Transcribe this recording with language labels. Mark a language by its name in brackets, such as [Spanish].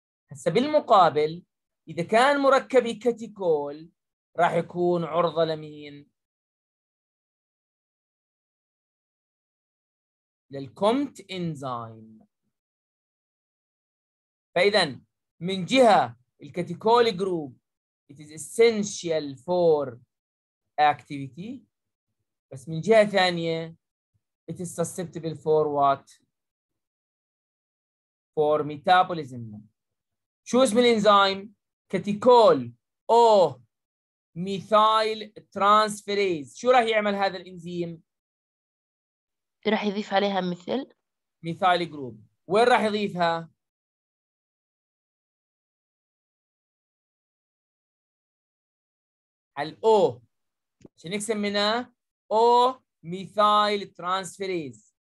[Arabic] هسا بالمقابل إذا كان مركبي كاتيكول راح يكون عرضة لمين؟ للكومت إنزيم. فإذا من جهة الكاتيكولي جروب [English] it is essential for activity، [Arabic] بس من جهة ثانية [English] it is susceptible for what؟ for metabolism. [Arabic] شو اسم الإنزيم؟ كاتيكول أو ميثايل ترانسفيريز. شو راح يعمل هذا الإنزيم؟ راح يضيف عليها مثل ميثايل جروب. وين راح يضيفها؟ على O، عشان نقسم منها O ميثايل ترانسفيريز.